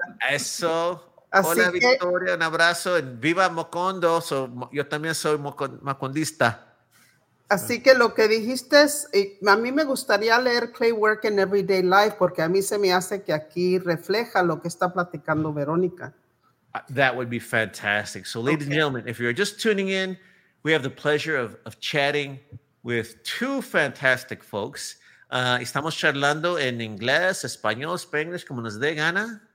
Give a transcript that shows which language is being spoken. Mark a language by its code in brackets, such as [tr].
[es] Eso. Así hola, que, Victoria, un abrazo. Viva Macondo. Yo también soy macondista. Así que lo que dijiste es, a mí me gustaría leer Clay Work in Everyday Life, porque a mí se me hace que aquí refleja lo que está platicando Verónica. [en] That would be fantastic. So, ladies and gentlemen, if you're just tuning in, we have the pleasure of chatting with two fantastic folks. [es] Estamos charlando en inglés, español, spanglish, como nos dé gana.